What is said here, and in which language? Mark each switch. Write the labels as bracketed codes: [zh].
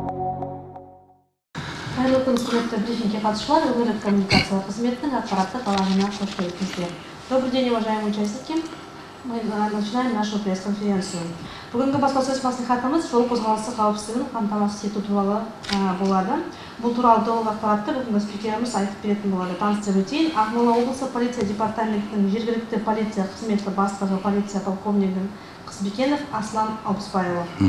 [kk] интернет брифинге қатысушылар, интернет коммуникациялар қызметінің аппаратты талабына қош келдіңіздер. [ru] Добрый день, уважаемые участники. Мы начинаем нашу пресс-конференцию. [kk] Бүгінгі баспасөз мәслихатымыз жол қозғалысы қауіпсіздігін қамтамасыз ету туралы болады. Бұл туралы толық ақпаратты бүгінгі спикеріміз айтып беретін болады. Таныстырып өтейін. Ақмола облысы полиция департаментінің жергілікті полиция қызметі бастығы полиция полковнигі Қызбекенов Аслан Алпысбайұлы.